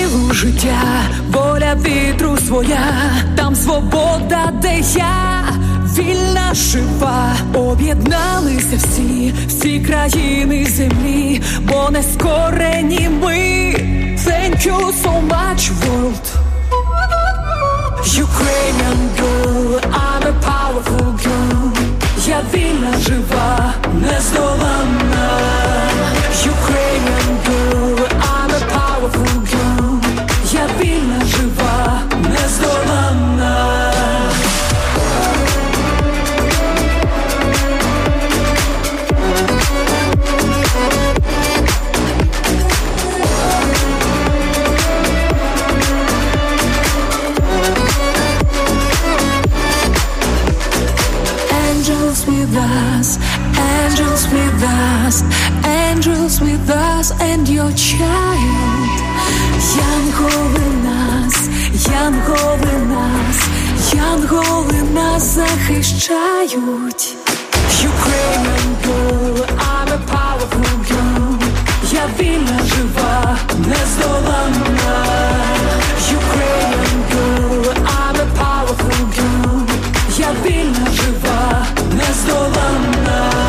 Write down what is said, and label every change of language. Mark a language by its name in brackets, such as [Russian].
[Ukrainian] Життя, воля вітру своя, там свобода, де я, вільна, жива. Об'єдналися всі, всі країни землі, бо не скорені ми. [English] Thank you so much, world. Ukrainian girl, I'm a powerful girl. [Ukrainian] Я вільна, жива, нездоланна. [English] Ukrainian girl, I'm a powerful girl. [Ukrainian] Вільна, жива, нездоланна. [English] Angels with us, angels with us, angels with us and your child. [Ukrainian] Янголи нас, янголи нас, янголи нас захищають. [English] Ukrainian girl, I'm a powerful girl. [Ukrainian] Я вільна, жива, нездоланна. [English] Ukrainian girl, I'm a powerful girl. [Ukrainian] Я вільна, жива, нездоланна.